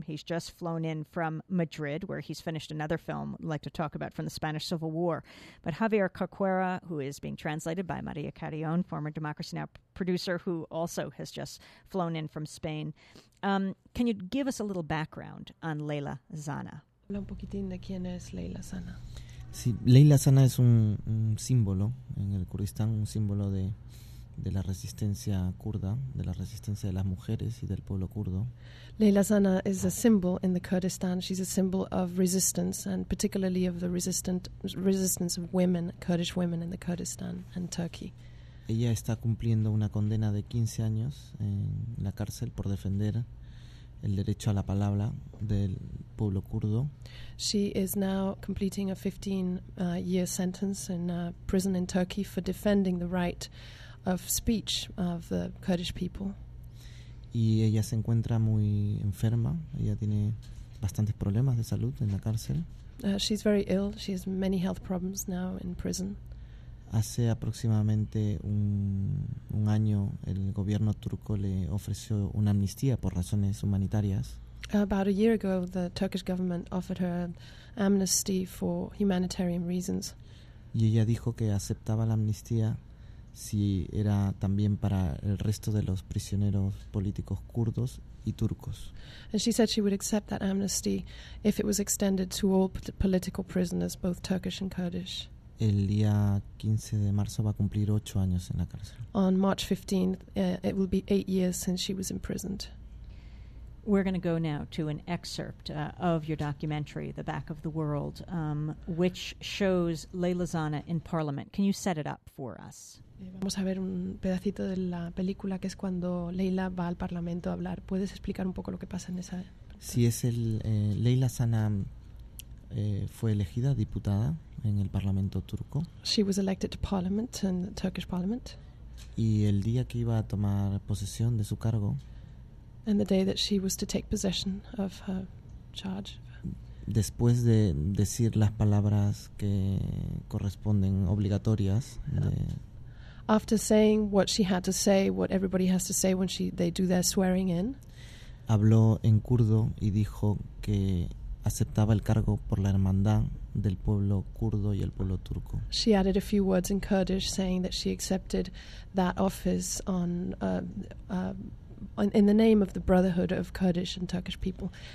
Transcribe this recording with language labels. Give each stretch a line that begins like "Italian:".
English: He's just flown in from Madrid, where he's finished another film we'd like to talk about from the Spanish Civil War. But Javier Corcuera, who is being translated by Maria Carrion, former Democracy Now! Producer, who also has just flown in from Spain. Can you give us a little background on Leila Zana?
Spanish: Habla un poquitín de quién es Leila Zana. Sí, Leila Zana es un símbolo en el Kurdistán, un símbolo de de la resistencia kurda, de la resistencia de las mujeres y del pueblo kurdo.
English: Leyla Zana is a symbol in the Kurdistan. She's a symbol of resistance, and particularly of the resistance of women, Kurdish women in the Kurdistan and Turkey.
Spanish: Ella está cumpliendo una condena de 15 años en la cárcel por defender el derecho a la palabra del pueblo kurdo.
English: She is now completing a 15-year sentence in a prison in Turkey for defending the right of speech of the Kurdish people.
Spanish: Y ella se encuentra muy enferma. Ella tiene bastantes problemas de salud en la cárcel.
English: She's very ill. She has many health problems now in prison.
Spanish: Hace aproximadamente un año, el gobierno turco le ofreció una amnistía por razones humanitarias.
English: About a year ago, the Turkish government offered her amnesty for humanitarian reasons.
Spanish: Y ella dijo que aceptaba la amnistía si era también para el resto de los prisioneros políticos kurdos y turcos.
English: And she said she would accept that amnesty if it was extended to all political prisoners, both Turkish and Kurdish.
Spanish: El día 15 de marzo va a cumplir 8 años en la cárcel.
English: On March 15th, it will be 8 years since she was imprisoned. We're going to go now to an excerpt of your documentary, The Back of the World, which shows Leyla Zana in Parliament. Can you set it up for us?
Spanish: Vamos a ver un pedacito de la película que es cuando Leyla va al Parlamento a hablar. ¿Puedes explicar un poco lo que pasa en esa? Sí, es el Leyla Zana fue elegida diputada en el Parlamento turco.
English: She was elected to Parliament in the Turkish Parliament.
Spanish: Y el día que iba a tomar posesión de su cargo.
English: And the day that she was to take possession of her charge.
Spanish: Después de decir las palabras que corresponden obligatorias.
English: After saying what she had to say, what everybody has to say when they do their swearing in.
Spanish: Habló en kurdo y dijo que aceptaba el cargo por la hermandad del pueblo kurdo y el pueblo turco.
English: She added a few words in Kurdish saying that she accepted that office in the name of the brotherhood of Kurdish and Turkish people.